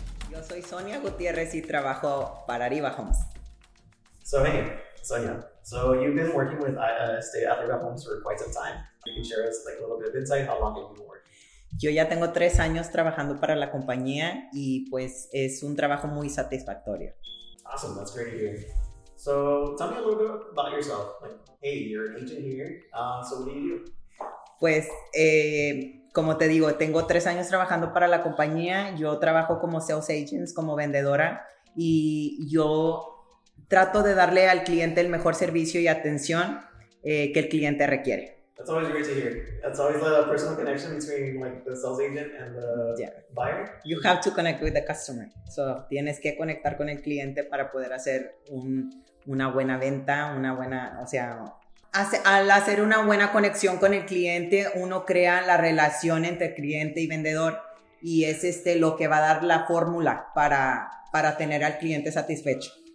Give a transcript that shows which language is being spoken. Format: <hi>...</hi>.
<es>Yo soy Sonia Gutierrez y trabajo para Ariva Homes.</es> <en>So, hey, Sonia. So you've been working with Stay at Ariva Homes for quite some time. You can share us like a little bit of insight. How long have you been working?</en> <es>Yo ya tengo 3 años trabajando para la compañía y pues es un trabajo muy satisfactorio.</es> <en>Awesome, that's great to hear. So tell me a little bit about yourself. Like, hey, you're an agent here. So what do you do?</en> <es>Pues, como te digo, tengo 3 años trabajando para la compañía. Yo trabajo como sales agent, como vendedora. Y yo trato de darle al cliente el mejor servicio y atención que el cliente requiere.</es> <en>That's always great to hear. That's always a personal connection between like the sales agent and the buyer. You have to connect with the customer.</en> <es>So, tienes que conectar con el cliente para poder hacer una buena venta, una buena, o sea, al hacer una buena conexión con el cliente, uno crea la relación entre cliente y vendedor y es lo que va a dar la fórmula para tener al cliente satisfecho.</es>